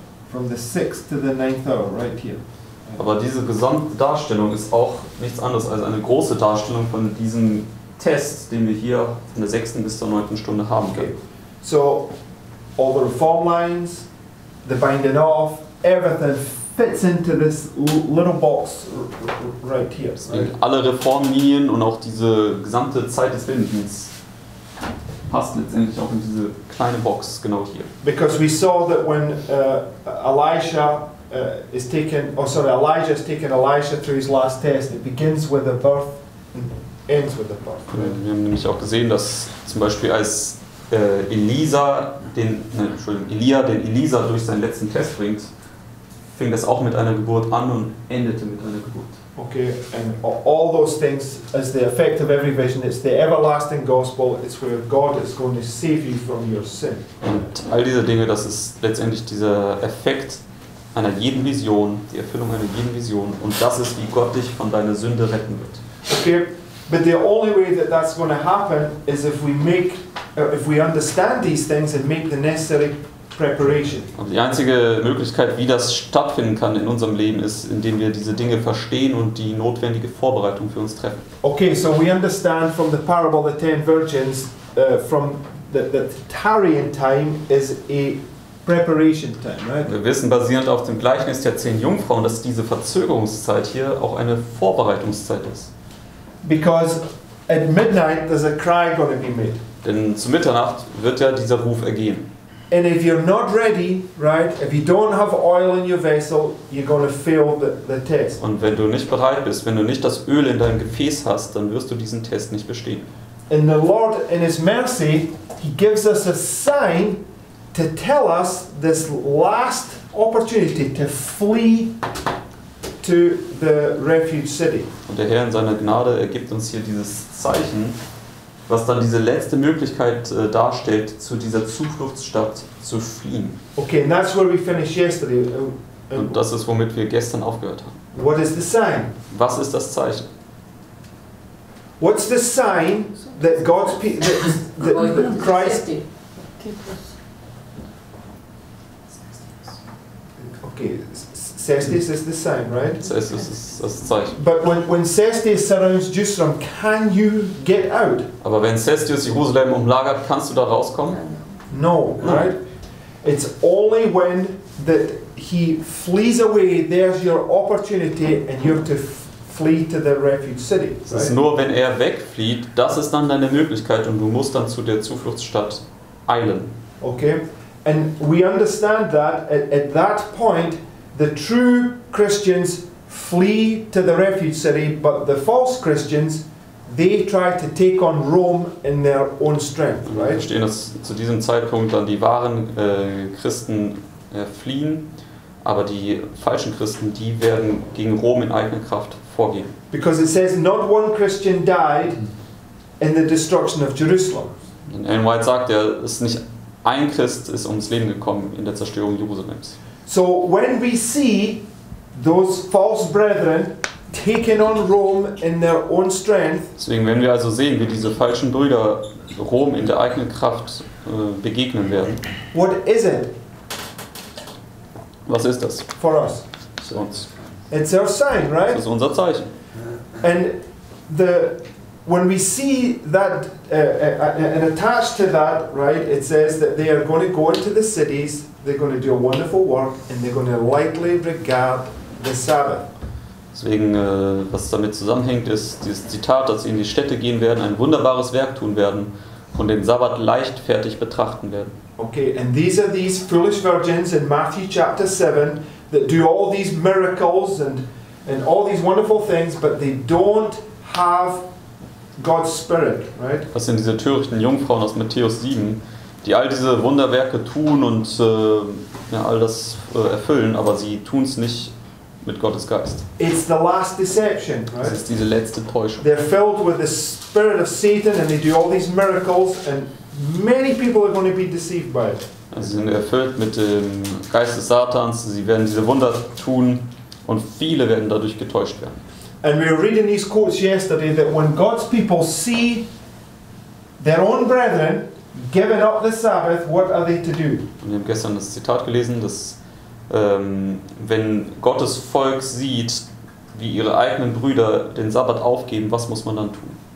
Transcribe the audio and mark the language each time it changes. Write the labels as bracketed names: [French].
[English] From the 6th to the 9th hour, right here. [German] Aber diese gesamte Darstellung ist auch nichts anderes als eine große Darstellung von diesem Test, den wir hier von der 6. bis zur 9. Stunde haben können. [English] So, all the reform lines, the binding off, everything fits into this little box right here. Right? [German] Und alle Reformlinien und auch diese gesamte Zeit des Bindens passt letztendlich auch in diese kleine Box, genau hier. [English] Because we saw that when Elijah is taking Elisha through his last test, it begins with the birth and ends with the birth. Right? [German] Wir haben nämlich auch gesehen, dass zum Beispiel als Elia den Elisa durch seinen letzten Test bringt, fing das auch mit einer Geburt an und endete mit einer Geburt. [English] Okay, and all those things as the effect of every vision, it's the everlasting gospel, it's where God is going to save you from your sin. [German] Und all diese Dinge, das ist letztendlich dieser Effekt einer jeden Vision, die Erfüllung einer jeden Vision, und das ist, wie Gott dich von deiner Sünde retten wird. [English] Okay, but the only way that that's going to happen is if we understand these things and make the necessary preparation. [German] Und die einzige Möglichkeit, wie das stattfinden kann in unserem Leben, ist, indem wir diese Dinge verstehen und die notwendige Vorbereitung für uns treffen. [English] Okay, so we understand from the parable of the 10 virgins, from that tarrying time is a preparation time, right? [German] Wir wissen, basierend auf dem Gleichnis der 10 Jungfrauen, dass diese Verzögerungszeit hier auch eine Vorbereitungszeit ist. [English] Because at midnight there's a cry going to be made. [German] Denn zu Mitternacht wird ja dieser Ruf ergehen. [English] And if you're not ready, right, if you don't have oil in your vessel, you're going to fail the test. [German] Und wenn du nicht bereit bist, wenn du nicht das Öl in deinem Gefäß hast, dann wirst du diesen Test nicht bestehen. [English] And the Lord, in His mercy, He gives us a sign to tell us this last opportunity to flee to the refuge city. [German] Und der Herr in seiner Gnade ergibt uns hier dieses Zeichen, was dann diese letzte Möglichkeit darstellt, zu dieser Zufluchtsstadt zu fliehen. [English] Okay, and that's where we finished yesterday. [German] Und das ist, womit wir gestern aufgehört haben. [English] What is the sign? [German] Was ist das Zeichen? [English] What's the sign that God's people, that Christ? Okay, Cestus is the sign, right? [German] Cestus ist das Zeichen. [English] But when Cestus surrounds Jerusalem, can you get out? [German] Aber wenn Cestus Jerusalem umlagert, kannst du da rauskommen? [English] No, right? It's only when that he flees away, there's your opportunity, and you have to flee to the refuge city. [German] Es ist nur, wenn er wegflieht, das ist dann deine Möglichkeit, und du musst dann zu der Zufluchtsstadt eilen. [English] Okay. And we understand that at that point the true Christians flee to the refuge city, but the false Christians, they try to take on Rome in their own strength, right? [German] Wir verstehen, dass zu diesem Zeitpunkt dann die wahren Christen fliehen, aber die falschen Christen, die werden gegen Rom in eigener Kraft vorgehen. [English] Because it says not one Christian died in the destruction of Jerusalem. [German] Und Ellen White sagt, er ist nicht ein Christ ist ums Leben gekommen in der Zerstörung Jerusalems. [English] So when we see those false brethren taking on Rome in their own strength, [German] deswegen, wenn wir also sehen, wie diese falschen Brüder Rom in der eigenen Kraft begegnen werden, [English] what is it? [German] Was ist das? [English] For us. [German] Für uns. [English] It's our sign, right? [German] Das ist unser Zeichen. [English] And the when we see that and attached to that, right, it says that they are going to go into the cities, they're going to do a wonderful work, and they're going to lightly regard the Sabbath. [German] Deswegen, was damit zusammenhängt, ist dieses Zitat, dass sie in die Städte gehen werden, ein wunderbares Werk tun werden und den Sabbat leichtfertig betrachten werden. [English] Okay, and these are these foolish virgins in Matthew chapter 7 that do all these miracles and all these wonderful things, but they don't have God's Spirit, right? [German] Das sind diese törichten Jungfrauen aus Matthäus 7, die all diese Wunderwerke tun und all das erfüllen, aber sie tun es nicht mit Gottes Geist. [English] It's the last deception, right? [German] Das ist diese letzte Täuschung. [English] They're filled with the spirit of Satan and they do all these miracles and many people are going to be deceived by it. [German] Sie sind erfüllt mit dem Geist des Satans, sie werden diese Wunder tun und viele werden dadurch getäuscht werden. [English] And we were reading these quotes yesterday that when God's people see their own brethren giving up the Sabbath, what are they to do? [German] Wir haben gestern das Zitat gelesen, dass wenn Gottes Volk sieht, wie ihre eigenen Brüder den Sabbat aufgeben, was muss man dann tun?